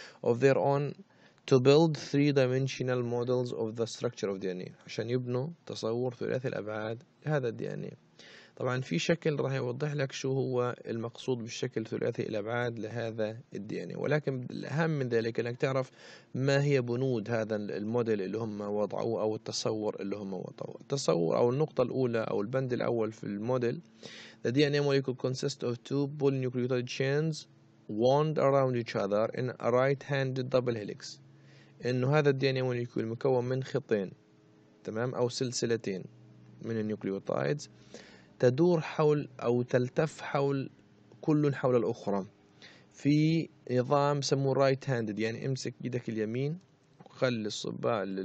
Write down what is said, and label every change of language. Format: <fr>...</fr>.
<en>of their own to build three dimensional models of the structure of D N A,</en> <ar>عشان يبنوا تصور ثلاثي الابعاد لهذا الدي ان اي. طبعا في شكل راح يوضح لك شو هو المقصود بالشكل ثلاثي الأبعاد لهذا الـ DNA، ولكن الأهم من ذلك أنك تعرف ما هي بنود هذا الموديل اللي هم وضعوه أو التصور اللي هم وضعوه. التصور أو النقطة الأولى أو البند الأول في الموديل:</ar> <en>The DNA molecule consists of two polynucleotide chains wound around each other in a right-handed double helix.</en> <ar>إنه هذا الـ DNA molecule مكون من خطين، تمام، أو سلسلتين من النيوكليوتايدز تدور حول أو تلتف حول كل حول الأخرى في نظام سموه right handed، يعني امسك يدك اليمين وخلي الصباع</ar>